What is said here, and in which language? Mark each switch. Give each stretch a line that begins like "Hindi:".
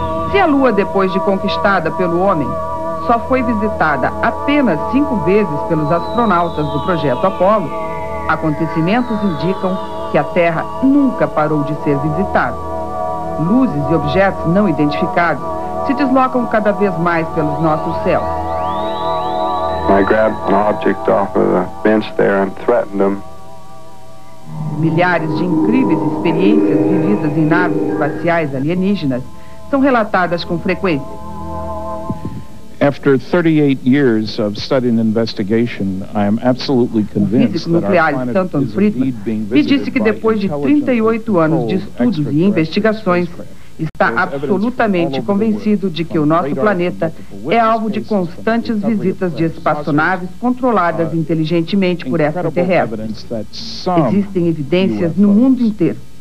Portuguese: Se a Lua, depois de conquistada pelo homem, só foi visitada apenas 5 vezes pelos astronautas do projeto Apollo, acontecimentos indicam que a Terra nunca parou de ser visitada. Luzes e objetos não identificados se deslocam cada vez mais pelos nossos céus.
English: I grabbed an object off of the bench there and threatened them.
Portuguese: Milhares de incríveis experiências vividas em naves espaciais alienígenas são relatadas com frequência.
English: After 38 years of studying investigation, I am absolutely convinced that our planet is indeed being visited by intelligent.
Portuguese: E disse que depois de 38 anos de estudos e investigações, está absolutamente convencido de que o nosso planeta é alvo de constantes visitas de espaçonaves controladas inteligentemente por extraterrestres. Existem evidências no mundo inteiro.